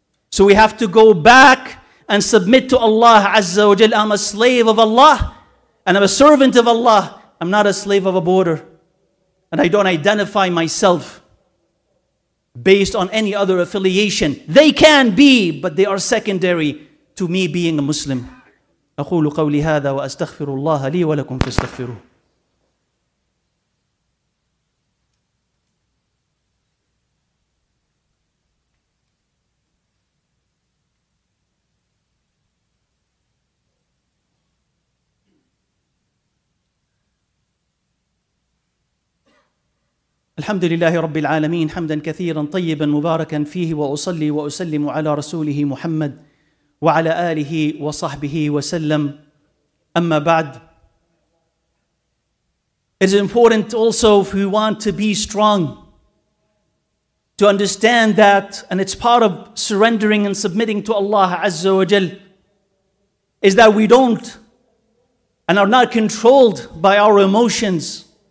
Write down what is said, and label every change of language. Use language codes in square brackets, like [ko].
[en] So we have to go back and submit to Allah Azza wa Jalla. I'm a slave of Allah and I'm a servant of Allah. I'm not a slave of a border. And I don't identify myself based on any other affiliation. They can be, but they are secondary to me being a Muslim. [ar] أقول قولي هذا وأستغفر الله لي ولكم فاستغفروه. الحمد لله رب العالمين حمدا كثيرا طيبا مباركا فيه وأصلي وأسلم على رسوله محمد وعلى آله وصحبه وسلم أما بعد. [en] It is important also if we want to be strong to understand that, and it's part of surrendering and submitting to Allah Azza wa Jal, is that we don't and are not controlled by our emotions.